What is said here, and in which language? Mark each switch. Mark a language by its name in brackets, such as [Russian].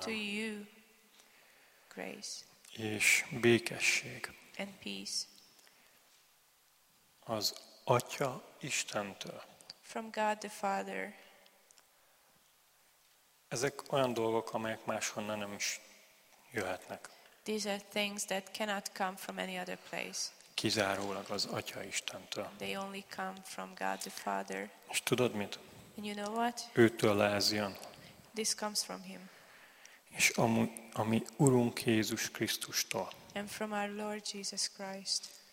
[English] To you. Grace. [Hungarian] És békesség. [English] And peace. [Hungarian] Az Atya Istentől. [English] From God the Father. [Hungarian] Ezek olyan dolgok, amelyek máshonnan nem is jöhetnek. [English] These are things that cannot come from any other place. [Hungarian] Kizárólag az Atya Istentől. [English] They only come from God the Father. [Hungarian] És tudod mit? [English] And you know what? [Hungarian] Őtől ez jön. [English] This comes from him. [Hungarian] És ami Urunk Jézus Krisztustól. [English] And from our Lord Jesus Christ.